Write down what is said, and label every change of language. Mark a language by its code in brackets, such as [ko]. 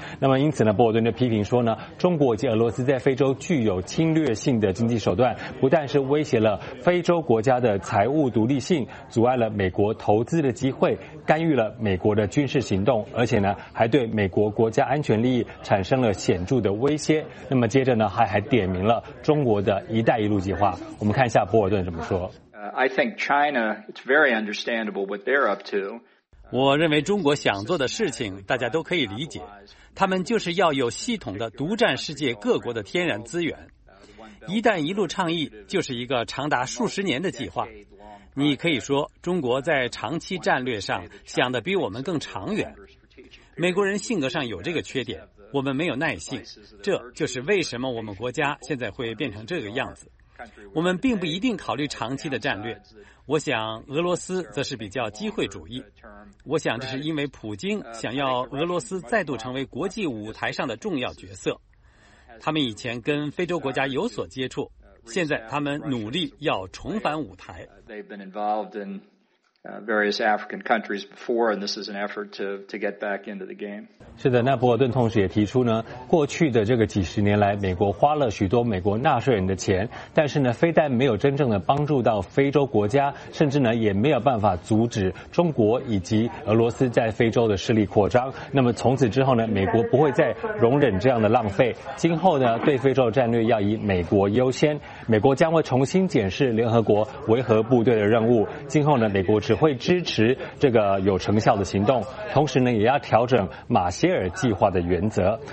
[zh] 那么因此呢，波尔顿就批评说呢，中国以及俄罗斯在非洲具有侵略性的经济手段，不但是威胁了非洲国家的财务独立性，阻碍了美国投资的机会，干预了美国的军事行动，而且呢还对美国国家安全利益产生了显著的威胁。那么接着呢还点名了中国的一带一路计划。我们看一下波尔顿怎么说。 [en] I think China, it's very understandable what they're up to. [zh] 我认为中国想做的事情大家都可以理解，他们就是要有系统的独占世界各国的天然资源。一带一路倡议就是一个长达数十年的计划。你可以说中国在长期战略上想得比我们更长远。美国人性格上有这个缺点，我们没有耐性，这就是为什么我们国家现在会变成这个样子。我们并不一定考虑长期的战略，我想俄罗斯则是比较机会主义。我想这是因为普京想要俄罗斯再度成为国际舞台上的重要角色。他们以前跟非洲国家有所接触，现在他们努力要重返舞台。 [en] They've been involved in various African countries before, and this is an effort to get back into the game. [zh] 是的，那波尔顿同时也提出呢，过去的这个几十年来，美国花了许多美国纳税人的钱，但是呢，非但没有真正的帮助到非洲国家，甚至呢，也没有办法阻止中国以及俄罗斯在非洲的势力扩张。那么从此之后呢，美国不会再容忍这样的浪费，今后呢，对非洲战略要以美国优先，美国将会重新检视联合国维和部队的任务，今后呢，美国只会支持这个有成效的行动，同时呢也要调整马歇尔计划的原则。